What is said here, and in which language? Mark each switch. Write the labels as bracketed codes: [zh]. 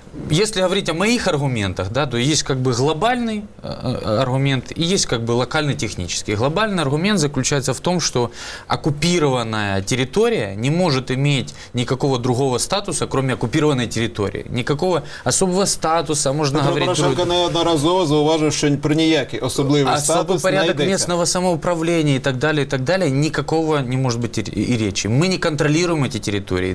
[ru] Если говорить о моих аргументах, да, то есть как бы глобальный аргумент и есть как бы локальный технический. Глобальный аргумент заключается в том, что оккупированная территория не может иметь никакого другого статуса, кроме оккупированной территории. Никакого особого статуса, можно [uk] Петро [ru] говорить... [uk] Петро Порошенко неодноразово зауважив, [ru] что [uk] про ніякий особливий статус не йдеться. [ru] Особый порядок местного самоуправления и так далее, никакого не может быть и речи. Мы не контролируем эти территории.